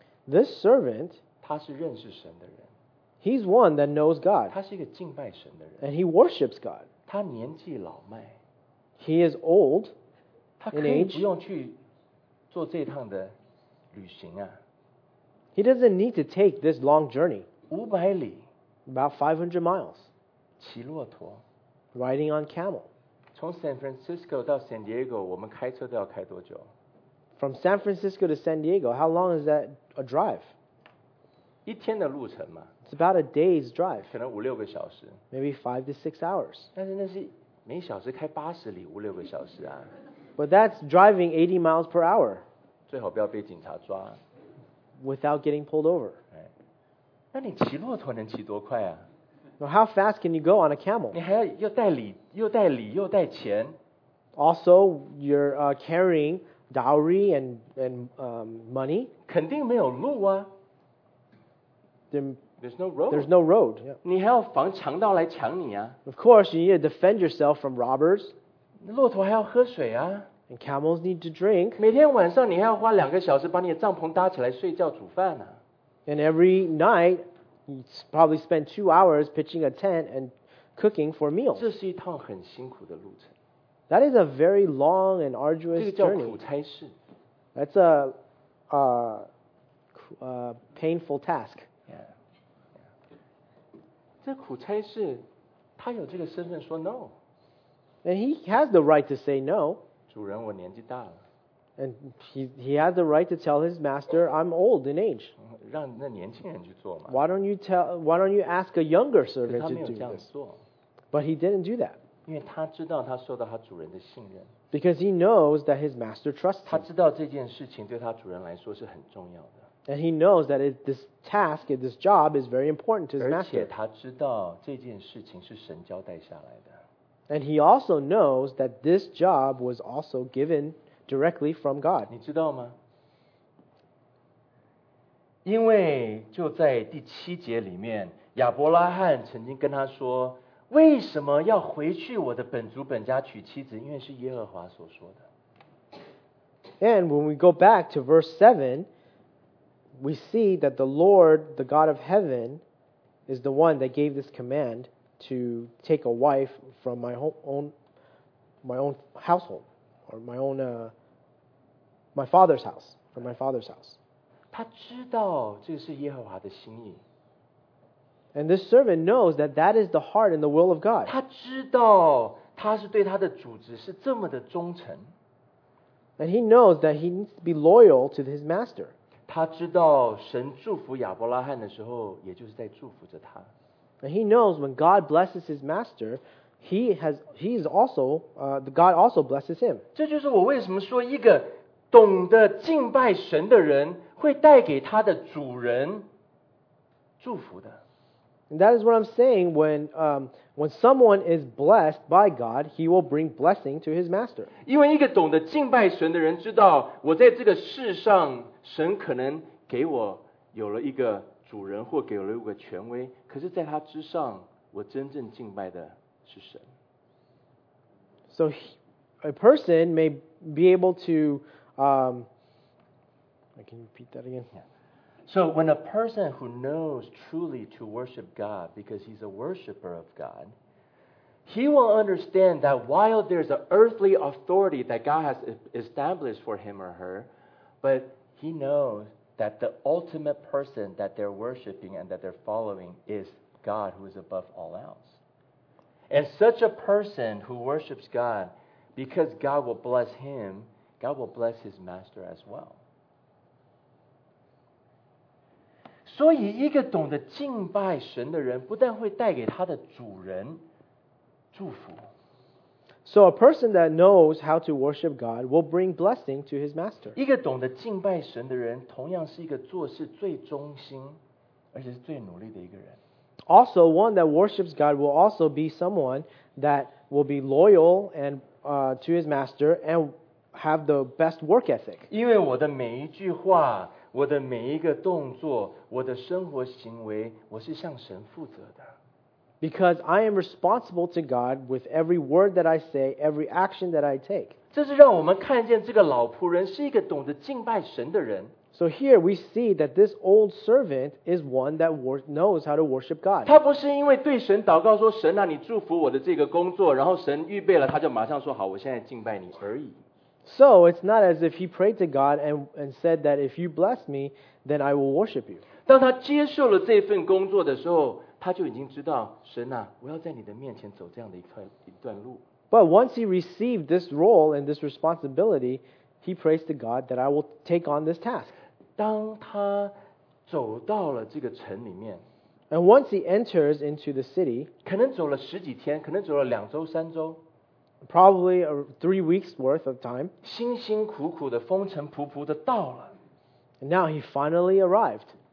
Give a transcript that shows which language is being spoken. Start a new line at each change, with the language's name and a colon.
English: ，this servant，
Chinese: 他是认识神的人。
English: He's one that knows God.
Chinese: 他是一个敬拜神的人。
English: And he worships God.
Chinese: 他年纪老迈。
English: He is old.
Chinese: 他可以不用去做这趟的旅行啊。
English: He doesn't need to take this long journey.
Chinese: 500里。
English: About 500 miles.
Chinese: 骑骆驼。
English: Riding on camel.
Chinese: 从 San Francisco 到 San Diego, 我们开车都要开多久？
English: From San Francisco to San Diego, how long is that a drive?
Chinese: 一天的路程嘛。
English: It's about a day's drive.
Chinese: 可能五六个小时。
English: Maybe 5 to 6 hours.
Chinese: 但是那是每小时开80里，五六个小时啊。
English: But that's driving 80 miles per hour.
Chinese: 最好不要被警察抓。
English: Without getting pulled over.
Chinese: 那你骑骆驼能骑多快啊？
English: So how fast can you go on a camel?
Chinese: 你还要又带礼又带礼又带钱。
English: Also, you're carrying dowry and money.
Chinese: 肯定没有路啊。
English: There's no road. There's no road.
Chinese: 你还要防强盗来抢你啊。
English: Of course, you need to defend yourself from robbers.
Chinese: 骆驼还要喝水啊。
English: And camels need to drink.
Chinese: 每天晚上你还要花两个小时把你的帐篷搭起来睡觉煮饭啊。
English: And every night,You probably spend 2 hours pitching a tent and cooking for meals.
Chinese: 这是一趟很辛苦的路程。
English: That is a very long and arduous journey.
Chinese: 这个叫苦差事。
English: That's a painful task. Yeah.
Chinese: 这苦差事，他有这个身份说 no.
English: And he has the right to say no.
Chinese: 主人，我年纪大了。
English: And he had the right to tell his master, I'm old in age.
Chinese: 让那年轻人去做嘛。
English: Why don't you ask a younger servant to do this?
Chinese: 他没有这样做。
English: But he didn't do that.
Chinese: 因为他知道他受到他主人的信任。
English: Because he knows that his master trusts him.
Chinese: 他知道这件事情对他主人来说是很重要的。
English: And he knows that this task, this job is very important to his master.
Chinese: 而且他知道这件事情是神交代下来的。
English: And he also knows that this job was also given directly from God.
Chinese: 你知道吗？因为就在第七节里面，亚伯拉罕曾经跟他说，为什么要回去我的本族本家娶妻子？因为是耶和华所说的。
English: And when we go back to verse 7, we see that the Lord, the God of heaven, is the one that gave this command to take a wife from my own household. Or my father's house.
Chinese: 他知道这是耶和华的心意。
English: And this servant knows that that is the heart and the will of God.
Chinese: 他知道他他是对他的主子是这么的忠诚。
English: And he knows that he needs to be loyal to his master.
Chinese: 他知道神祝福亚伯拉罕的时候，也就是在祝福着他。
English: And he knows when God blesses his master, God also blesses him.
Chinese: 这就是我为什么说一个懂得敬拜神的人会带给他的主人祝福的。
English: And that is what I'm saying, when someone is blessed by God, he will bring blessing to his master.
Chinese: 因为一个懂得敬拜神的人知道，我在这个世上，神可能给我有了一个主人或给了一个权威，可是在他之上，我真正敬拜的是神。
English: So a person may be able to, I can repeat that again. Yeah. So when a person who knows truly to worship God because he's a worshiper of God, he will understand that while there's an earthly authority that God has established for him or her, but he knows that the ultimate person that they're worshiping and that they're following is God who is above all else. And such a person who worships God, because God will bless him, God will bless his master as well.
Chinese: 所以一个懂得敬拜神的人不但会带给他的主人祝福。
English: So a person that knows how to worship God will bring blessing to his master.
Chinese: 一个懂得敬拜神的人同样是一个做事最忠心而且是最努力的一个人。
English: Also, one that worships God will also be someone that will be loyal and, to his master and have the best work ethic.
Chinese: 因为我的每一句话我的每一个动作，我的生活行为，我是向神负责的。
English: Because I am responsible to God with every word that I say, every action that I take.
Chinese: 这是让我们看见这个老仆人是一个懂得敬拜神的人。
English: So here we see that this old servant is one that knows how to worship God.
Chinese: 他不是因为对神祷告说，神啊，你祝福我的这个工作，然后神预备了，他就马上说好，我现在敬拜你而已。
English: So it's not as if he prayed to God and said that if you bless me, then I will worship you.
Chinese: 当他接受了这份工作的时候，他就已经知道，神啊，我要在你的面前走这样的一段路。
English: But once he received this role and this responsibility, he prays to God that I will take on this task.
Chinese: 当他走到了这个城里面，
English: and once he enters into the city,
Chinese: 可能走了十几天，可能走了两周、三周。
English: Probably 3 weeks worth of time.
Chinese: 辛辛苦苦的风尘仆仆的到了。
English: Now he finally arrived.